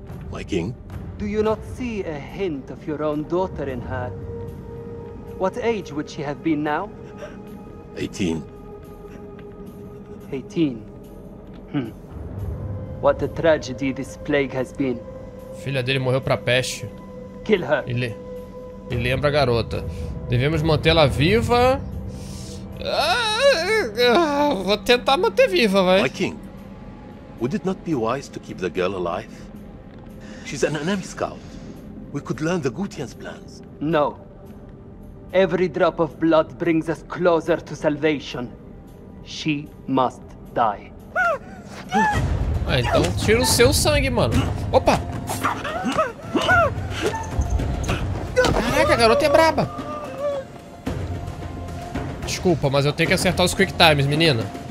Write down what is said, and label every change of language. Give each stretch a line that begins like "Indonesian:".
English: My king? Do you not see a hint of your own daughter in her? What age would she have been now? 18. 18? Hmm. What a tragedy this plague has been.
Portuguese: Filha dele morreu pra peste.
English: Kill her.
Portuguese: Ele lembra a garota. Devemos mantê-la viva. Ah! Vou tentar manter viva, vai.
English: My king, would it not be wise to keep the girl alive? She's an enemy scout. We could learn the Gutian's plans. No. Every drop of blood brings us closer to salvation. She must die.
Portuguese: Ah, então tira o seu sangue, mano. Opa! Caraca, a garota é braba. Desculpa, mas eu tenho que acertar os quick times, menina.